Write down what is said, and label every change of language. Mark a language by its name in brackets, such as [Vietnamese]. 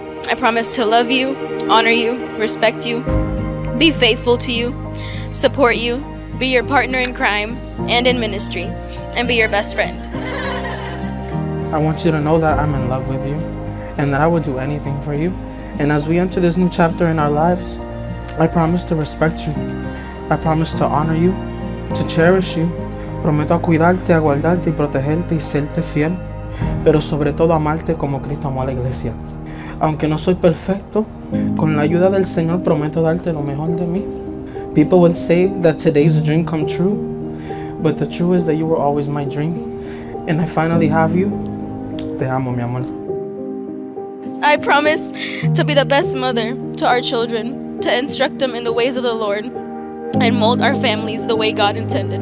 [English] I promise to love you, honor you, respect you, be faithful to you, support you, be your partner in crime and in ministry, and be your best friend. I want you to know that I'm in love with you and that I would do anything for you. And as we enter this new chapter in our lives, I promise to respect you. I promise to honor you, to cherish you. [Spanish] Prometo cuidarte, aguardarte, y protegerte y serte fiel, pero sobre todo amarte como Cristo amó a la iglesia. Aunque no soy perfecto, con la ayuda del Señor prometo darte lo mejor de mí. [English] People would say that today's a dream come true, but the truth is that you were always my dream, and I finally have you. [Spanish] Te amo, mi amor. [English] I promise to be the best mother to our children, to instruct them in the ways of the Lord, and mold our families the way God intended.